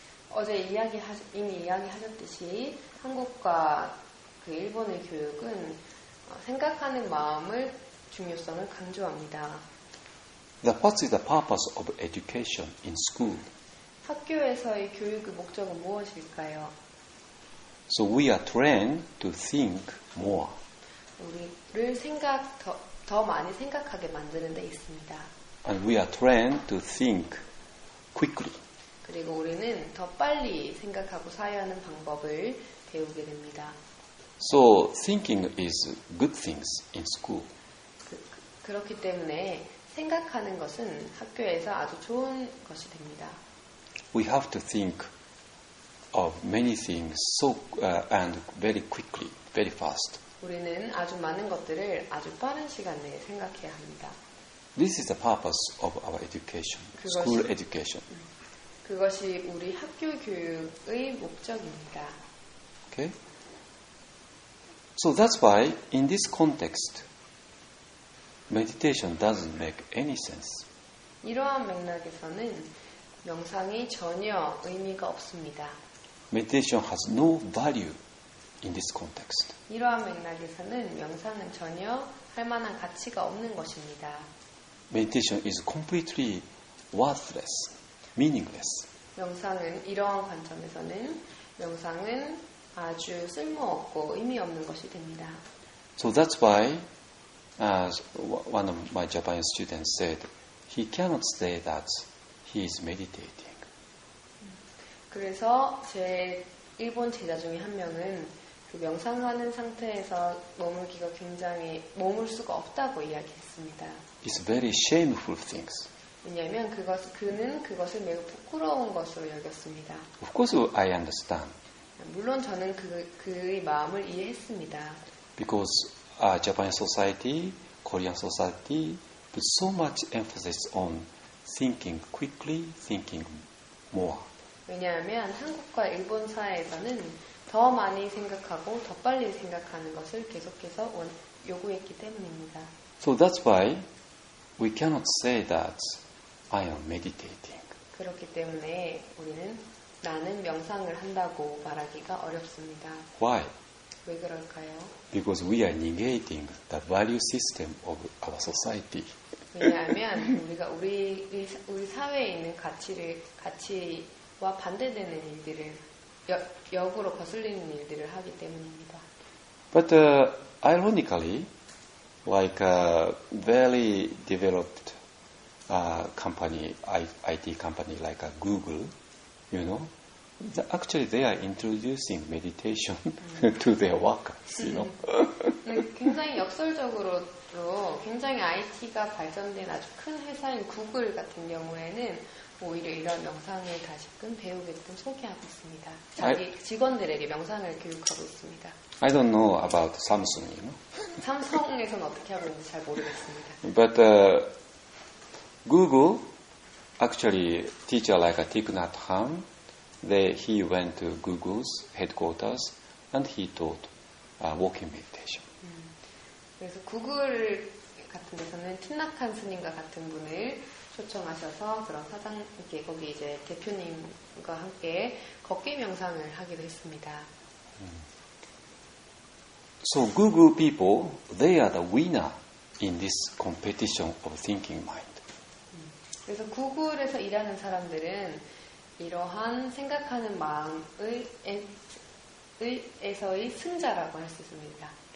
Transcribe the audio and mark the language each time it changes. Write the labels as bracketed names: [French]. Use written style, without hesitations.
[Korean] 어제 이미 이야기하셨듯이 한국과 그 일본의 교육은 생각하는 마음을 중요성을 강조합니다. [English] What is the purpose of education in school? [Korean] 학교에서의 교육의 목적은 무엇일까요? [English] So we are trained to think more. [Korean] 우리를 생각 더 많이 생각하게 만드는 데 있습니다. [English] And we are trained to think quickly. [Korean] 그리고 우리는 더 빨리 생각하고 사회하는 방법을 배우게 됩니다. [English] So thinking is good things in school. [Korean] 그렇기 때문에 생각하는 것은 학교에서 아주 좋은 것이 됩니다. [English] We have to think of many things so and very quickly, very fast. [Korean] 우리는 아주 많은 것들을 아주 빠른 시간 내에 생각해야 합니다. [English] This is the purpose of our education, school education. [Korean] 그것이 우리 학교 교육의 목적입니다. [English] Okay. So that's why in this context, meditation doesn't make any sense. [Korean] 이러한 맥락에서는 명상이 전혀 의미가 없습니다. [English] Meditation has no value in this context. [Korean] 이러한 맥락에서는 명상은 전혀 할 만한 가치가 없는 것입니다. [English] Meditation is completely worthless, meaningless. [Korean] 명상은 이러한 관점에서는 명상은 아주 쓸모없고 의미 없는 것이 됩니다. [English] So that's why one of my Japanese students said he cannot say that he is meditating. [Korean] 그래서 제 일본 제자 중에 한 명은 그 명상하는 상태에서 머물기가 굉장히 머물 수가 없다고 이야기했습니다. [English] It's very shameful things. [Korean] 왜냐하면 그는 그것을 매우 부끄러운 것으로 여겼습니다. [English] Of course, I understand. [Korean] 물론 저는 그의 마음을 이해했습니다. [English] Because Japanese society, Korean society put so much emphasis on thinking quickly, thinking more. [Korean] 왜냐하면 한국과 일본 사회에서는 더 많이 생각하고 더 빨리 생각하는 것을 계속해서 요구했기 때문입니다. [English] So that's why we cannot say that I am meditating. [Korean] 그렇기 때문에 우리는 나는 명상을 한다고 말하기가 어렵습니다. [English] Why? [Korean] 왜 그럴까요? [English] Because we are negating the value system of our society. [Korean] 왜냐하면 우리가 우리 사회에 있는 가치를 가치 와 반대되는 일들을 역으로 거슬리는 일들을 하기 때문입니다. [English] But ironically, like a very developed company, IT company like a Google, you know, actually they are introducing meditation to their workers, you know. [Korean] 굉장히 역설적으로도 굉장히 IT가 발전된 아주 큰 회사인 구글 같은 경우에는 오히려 이런 명상을 다시금 배우게끔 소개하고 있습니다. 자기 직원들에게 명상을 교육하고 있습니다. [English] I don't know about Samsung, you know. [Korean] 삼성에서는 어떻게 하고 있는지 잘 모르겠습니다. [English] But Google, actually, teacher like a Thich Nhat Hanh, he went to Google's headquarters and he taught walking meditation. [Korean] 그래서 구글 같은 데서는 틴나칸 스님과 같은 분을 초청하셔서 그런 사장 이렇게 거기 이제 대표님과 함께 걷기 명상을 하기도 했습니다. [English] So Google people, they are the winner in this competition of thinking mind. [Korean] 그래서 구글에서 일하는 사람들은 이러한 생각하는 마음에서의 승자라고 할 수 있습니다.